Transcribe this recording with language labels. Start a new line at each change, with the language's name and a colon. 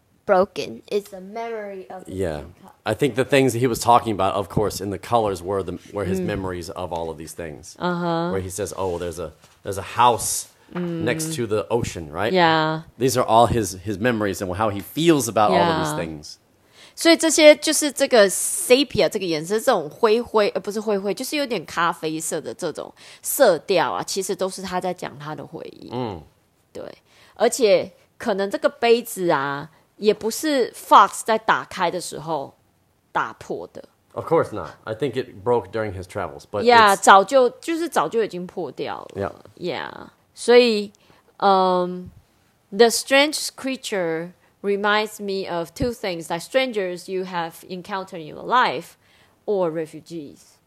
English: broken. It's a memory of the yeah. I think the things that he was talking about, of course, in the colors were the were his memories of all of these things. Uh-huh. Where he says, oh, there's a house next to the ocean, right? Yeah. These are all his memories and how he feels about all of these things.
Chinese: 所以这些就是这个 sepia 这个颜色，这种灰灰，不是灰灰，就是有点咖啡色的这种色调啊，其实都是他在讲他的回忆。嗯，对，而且可能这个杯子啊，也不是 Fox 在打开的时候打破的。
English: Of course not. I think it broke during his travels, but yeah, it's...
Chinese: 早就已经破掉了。
English: Yeah, yeah.
Chinese: 所以，
English: the strange creature. Reminds me of two things, like strangers you have encountered in your life, or refugees.